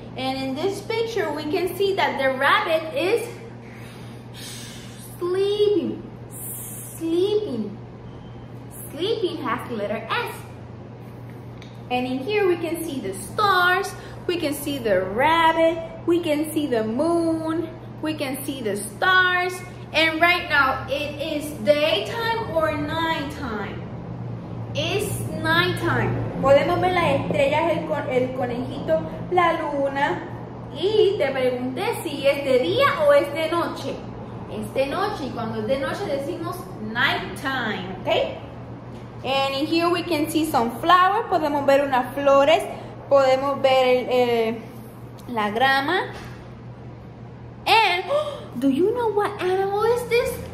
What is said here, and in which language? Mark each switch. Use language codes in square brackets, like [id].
[en] And in this picture, we can see that the rabbit is sleeping has the letter S. And in here, we can see the stars, we can see the rabbit, we can see the moon, we can see the stars. And right now, it is daytime or nighttime? It's nighttime. [es] Podemos ver las estrellas, el conejito, la luna. Y te pregunté si es de día o es de noche. Es de noche. Y cuando es de noche, decimos nighttime. [en] Okay? And in here we can see some flowers. [es] Podemos ver unas flores. Podemos ver la grama. [en] And do you know what animal is this?